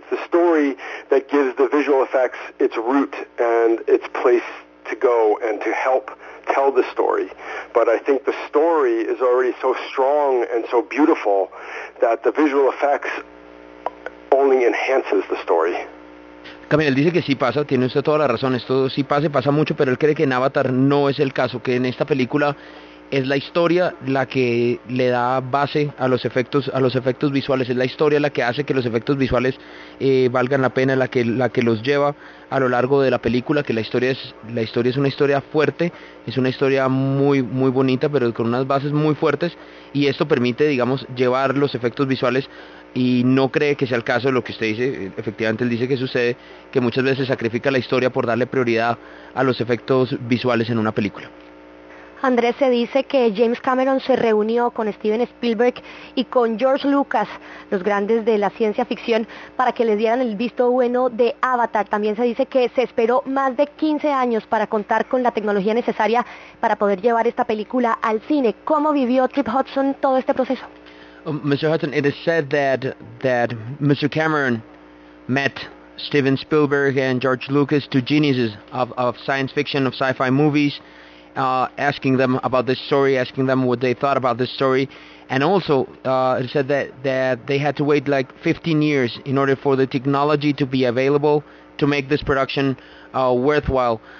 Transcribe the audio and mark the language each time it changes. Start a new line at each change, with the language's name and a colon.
English: It's the story that gives the visual effects its root and its place to go and to help tell the story. But I think the story is already so strong and so beautiful that the visual effects only enhances the story.
Spanish: Camila, él dice que sí pasa, tiene usted toda la razón, esto sí pasa y pasa mucho, pero él cree que en Avatar no es el caso, que en esta película es la historia la que le da base a los efectos visuales, es la historia la que hace que los efectos visuales valgan la pena, la que los lleva a lo largo de la película, que la historia es una historia fuerte, es una historia muy muy bonita, pero con unas bases muy fuertes, y esto permite, digamos, llevar los efectos visuales. Y no cree que sea el caso de lo que usted dice, efectivamente él dice que sucede, que muchas veces sacrifica la historia por darle prioridad a los efectos visuales en una película. Andrés, se dice que James Cameron se reunió con Steven Spielberg y con George Lucas, los grandes de la ciencia ficción, para que les dieran el visto bueno de Avatar. También se dice que se esperó más de 15 años para contar con la tecnología necesaria para poder llevar esta película al cine. ¿Cómo vivió Trip Hudson todo este proceso?
English: Mr. Hudson, it is said that Mr. Cameron met Steven Spielberg and George Lucas, two geniuses of science fiction, of sci-fi movies, asking them about this story, asking them what they thought about this story. And also, it said that they had to wait like 15 years in order for the technology to be available to make this production worthwhile.